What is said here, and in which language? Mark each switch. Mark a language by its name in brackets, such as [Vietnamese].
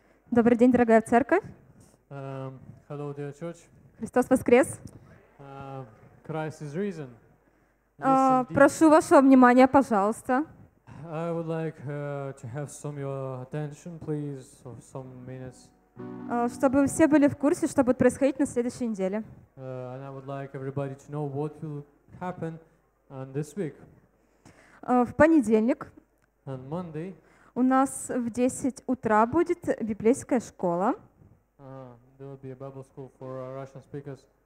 [Russian] Добрый день, дорогая церковь. [English] Hello, dear church. [Russian] Христос воскрес. [English] Christ is risen. [Russian] Прошу вашего внимания, пожалуйста. [English] I would like to have some your attention, please, for some minutes. [Russian] Чтобы все были в курсе, что будет происходить на следующей неделе. [English] And I would like everybody to know what will happen on this week. [Russian] В понедельник. [English] On Monday. [Russian] У нас в 10 утра будет библейская школа. [English] There will be a Bible school for Russian speakers.